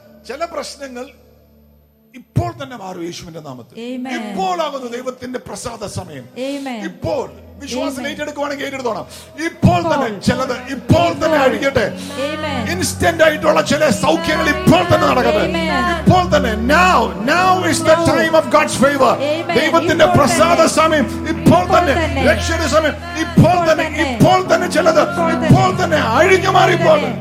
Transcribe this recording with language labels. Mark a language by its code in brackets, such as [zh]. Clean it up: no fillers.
[ml] ചില പ്രശ്നങ്ങൾ ഇപ്പോൾ തന്നെ മാറും യേശുവിന്റെ നാമത്തിൽ. ഇപ്പോഴാകുന്നു ദൈവത്തിന്റെ പ്രസാദ സമയം. ഇപ്പോൾ വിശ്വാസം ഏറ്റെടുക്കുവാണെങ്കിൽ ഏറ്റെടുത്തോണം. ഇപ്പോൾ തന്നെ ചിലത് ഇപ്പോൾ തന്നെ അഴിക്കട്ടെ. ഇൻസ്റ്റന്റ് ആയിട്ടുള്ള ചില സൗഖ്യങ്ങൾ ഇപ്പോൾ തന്നെ നടക്കട്ടെ. ഇപ്പോൾ തന്നെ. [en] Now, now is the time of God's favor. [ml] ദൈവത്തിന്റെ പ്രസാദ സമയം ഇപ്പോൾ തന്നെ. രക്ഷയുടെ സമയം ഇപ്പോൾ തന്നെ. ഇപ്പോൾ തന്നെ ചിലത് ഇപ്പോൾ തന്നെ അഴിഞ്ഞു മാറിപ്പോൾ.